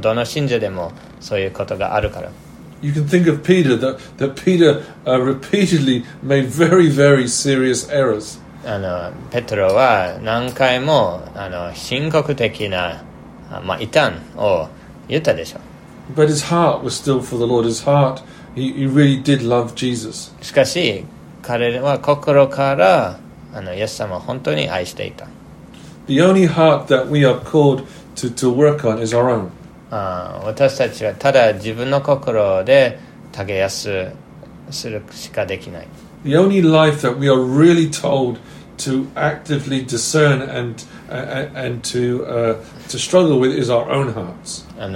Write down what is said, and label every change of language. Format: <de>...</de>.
<ja>どの信者でもそういうことがあるから。</ja> <en>You can think of Peter, that Peter repeatedly made very, very serious errors.</en> <ja>ペトロは何回も深刻的な異端を言ったでしょう。</ja> <en>But his heart was still for the Lord. His heart, he really did love Jesus.</en> <ja>しかし彼は心からイエス様を本当に愛していた。</ja> <en>The only heart that we are called to work on is our own.</en> <ja>私たちはただ自分の心で耕すするしかできない。</ja> <en>The only life that we are really told to actively discern and to struggle with is our own hearts.</en>